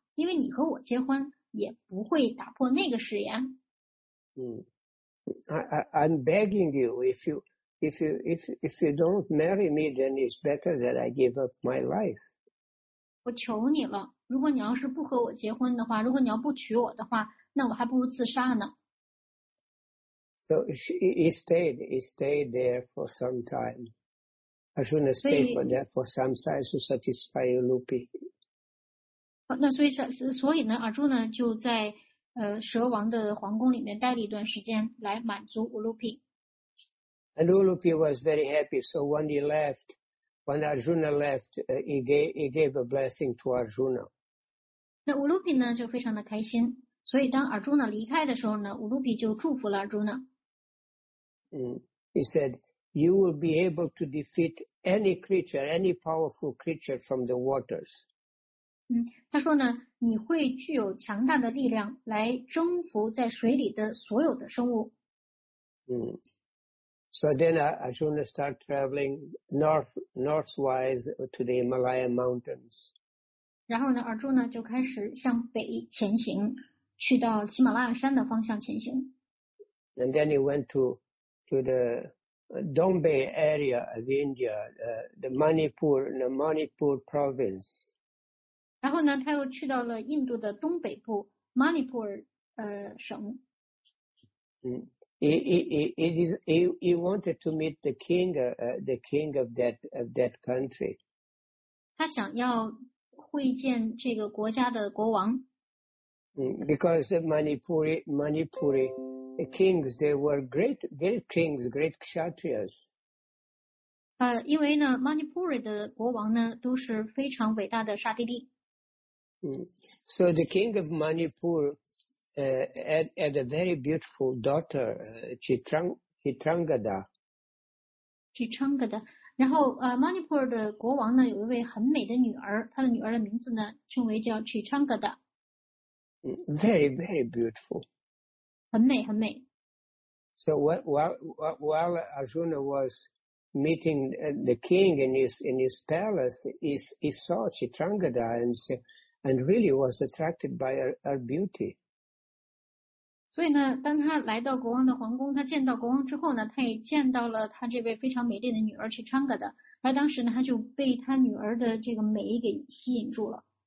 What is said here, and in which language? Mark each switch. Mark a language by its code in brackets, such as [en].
[zh] 因为你和我结婚也不会打破那个誓言。 [en] I'm begging you, if you don't marry me, then it's better that I give up my life. [zh] 我求你了，如果你要是不和我结婚的话，如果你要不娶我的话，那我还不如自杀呢。 [en] So he stayed there for some time. I shouldn't have stayed for that for some size to satisfy you, Lupi. [zh] 那所以呢，阿朱呢就在蛇王的皇宫里面待了一段时间，来满足乌鲁皮。 [en] And Ulupi was very happy. So when he left, when Arjuna left, he gave a blessing to Arjuna. [zh] 那乌鲁皮呢就非常的开心，所以当阿朱呢离开的时候呢，乌鲁皮就祝福了阿朱呢。 [en] He said, "You will be able to defeat any creature, any powerful creature from the waters." [zh] 他说呢，你会具有强大的力量来征服在水里的所有的生物。 [en] So then Arjuna start traveling northwise to the Himalaya mountains. [zh] 然后呢，阿朱呢就开始向北前行，去到喜马拉雅山的方向前行。 [en] And then he went to the Dombey area of India, the Manipur province. [zh] 然后呢，他又去到了印度的东北部 Manipur 省。 [en] He wanted to meet the king of that country. [zh] 他想要会见这个国家的国王。 [en] Because the Manipuri kings, they were great kings, great kshatriyas. [zh] 因为呢 ，Manipuri 的国王呢都是非常伟大的沙帝利。 [en] So the king of Manipur had a very beautiful daughter, Chitrangada. [zh] Chitrangada. 然后Manipur 的国王呢有一位很美的女儿，她的女儿的名字呢称为叫 Chitrangada. [en] Very, very beautiful. [zh] 很美，很美。 [en] So while Arjuna was meeting the king in his palace, he saw Chitrangada and really was attracted by her beauty. [zh] 所以呢，当他来到国王的皇宫，他见到国王之后呢，他也见到了他这位非常美丽的女儿去唱歌的，而当时呢，他就被他女儿的这个美给吸引住了。